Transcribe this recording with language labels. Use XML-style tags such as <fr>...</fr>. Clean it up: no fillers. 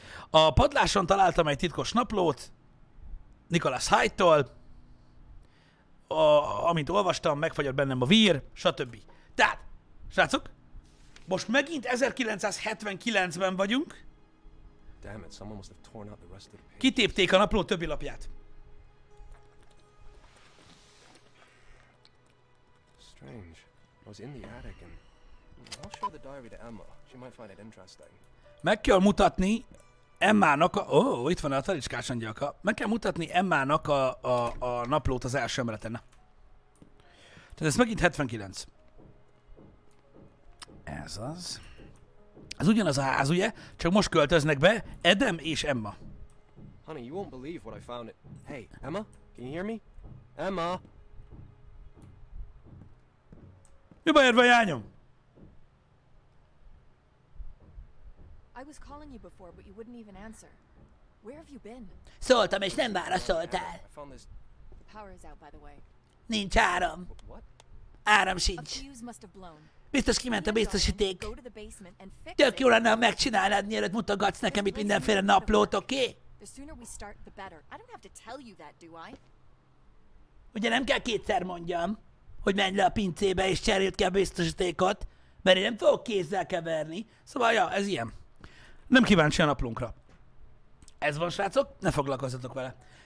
<hu>A padláson találtam egy titkos naplót Nicholas Hyde-tól, amint olvastam, megfagyott bennem a vír, stb. Tehát, srácok, most megint 1979-ben vagyunk.</hu> <en>Damn it, someone must have torn out the rest of the page.</en> <hu>Kitépték a napló többi lapját.</hu> <en>Strange. I was in the attic and... I'll show the diary to Emma. She might find it interesting.</en> <hu>Meg kell mutatni Emmának a... Ó, itt van a talicskás angyalka. Meg kell mutatni Emmának a naplót az első emeleten. Tehát ez megint 79. Ez az. Ez ugyanaz a ház, ugye? Csak most költöznek be Adam és Emma.</hu> <en>Honey, you won't believe what I found it. Hey, Emma? Can you hear me? Emma?</en> <hu>Mi bajod van, jányom?</hu> <en>I was calling you before, but you wouldn't even answer. Where have you been?</en> <hu>Szóltam, és nem válaszoltál.</hu> <en>Power is out, by the way.</en> <hu>Nincs áram.</hu> <en>What?</en> <hu>Áram sincs.</hu> <en>A fuse must have blown.</en> <hu>Biztos kiment a biztosíték.</hu> <en>Go to the basement and fix it.</en> <hu>Tök jó lenne, ha megcsinálnád, mielőtt mutogatsz nekem itt mindenféle naplót, oké?</hu> <en>The sooner we start, the better. I don't have to tell you that, do I?</en> <hu>ugye nem kell kétszer mondjam, hogy menj le a pincébe és cseréld ki a biztosítékot, mert én nem fogok kézzel keverni. Szóval, ja, ez ilyen. Nem kíváncsi a naplunkra. Ez van, srácok, ne foglalkozzatok vele.</hu>